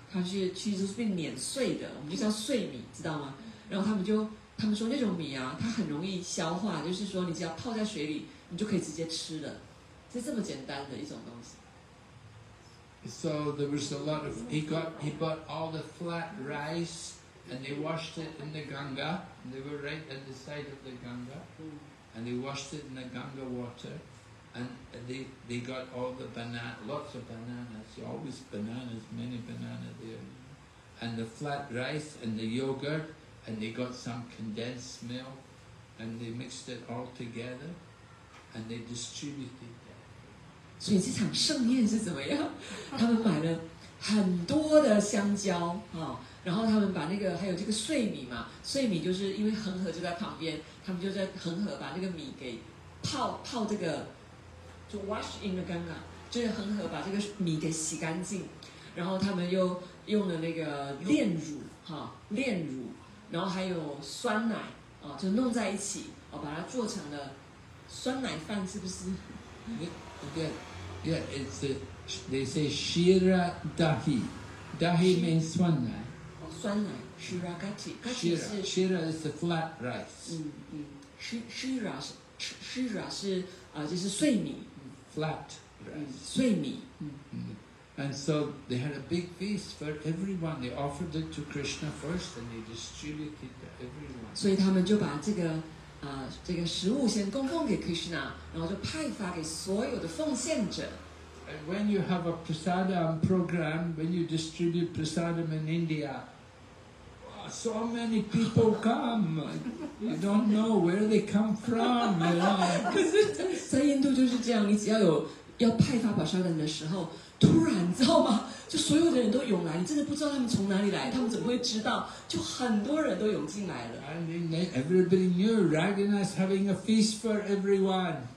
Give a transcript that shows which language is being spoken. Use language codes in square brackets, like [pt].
[zh] 它是其实是被碾碎的，我们就叫碎米，知道吗？然后他们说那种米啊，它很容易消化，就是说你只要泡在水里，你就可以直接吃了，是这么简单的一种东西。 [en] So there was a lot of he bought all the flat rice and they washed it in the Ganga. And they were right at the side of the Ganga, and they washed it in the Ganga water, and they got all the lots of bananas, always bananas, many bananas there, and the flat rice and the yogurt, and they got some condensed milk, and they mixed it all together, and they distributed that. So this [zh] 盛宴是怎么样？他们买了。很多的香蕉、哦、然后他们把那个还有这个碎米嘛，碎米就是因为恒河就在旁边，他们就在恒河把那个米给泡这个，就 [en] wash in the Ganga， [zh] 就是恒河把这个米给洗干净，然后他们又用了那个炼乳、哦、炼乳，然后还有酸奶、哦、就弄在一起、哦、把它做成了酸奶饭，是不是？ [en] Yeah, it's a... They say Shira Dahi. Dahi means [zh] 酸奶。酸奶 Shira Gati. [en] Shira is the flat rice. [zh] Shira 是就是碎米。 [en] Flat rice. [zh] 碎米。 [en] And so they had a big feast for everyone. They offered it to Krishna first and they distributed to everyone. [zh] 所以他们就把这个这个食物先供奉给 Krishna， 然后就派发给所有的奉献者。 [en] When you have a prasadam program, when you distribute prasadam in India, so many people come. You don't know where they come from. You know? [zh] 可是在印度就是这样，你只要有要派发prasadam的时候，突然知道吗？就所有的人都涌来，你真的不知道他们从哪里来，他们怎么会知道？就很多人都涌进来了。 [en] And then everybody knew Raghunath's having a feast for everyone.